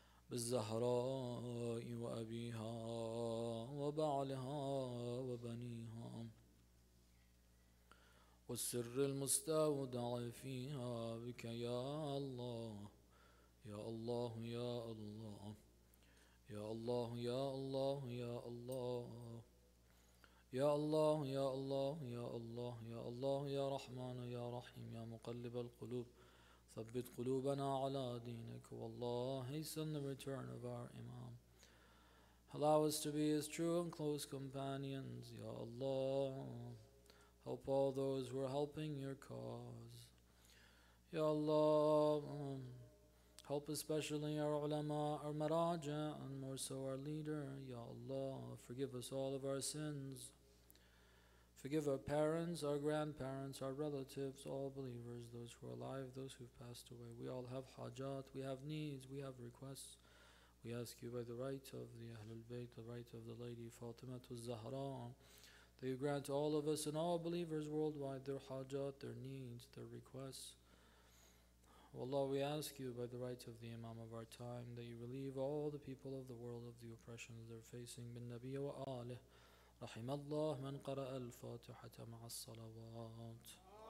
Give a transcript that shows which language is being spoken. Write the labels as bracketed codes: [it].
[ar] بالزهراء وأبيها وبعلها وبنيها والسر المستودع فيها بك يا الله يا الله يا الله يا الله يا الله يا الله يا الله يا الله يا الله يا الله يا رحمن يا رحيم يا مقلب القلوب ثبت قلوبنا على دينك والله حسن [en] the return of our imam. Allow us to be his true and close companions, Ya Allah. Help all those who are helping your cause. Ya Allah, help especially our ulama, our maraja, and more so our leader, Ya Allah. Forgive us all of our sins. Forgive our parents, our grandparents, our relatives, all believers, those who are alive, those who have passed away. We all have hajat, we have needs, we have requests. We ask you by the right of the Ahlul Bayt, the right of the Lady Fatima al-Zahra, that you grant all of us and all believers worldwide their hajat, their needs, their requests. Allah, we ask you by the right of the Imam of our time that you relieve all the people of the world of the oppression they're facing. [ar] Bin Nabi wa Alih. رحم الله من قرأ الفاتحة مع الصلوات.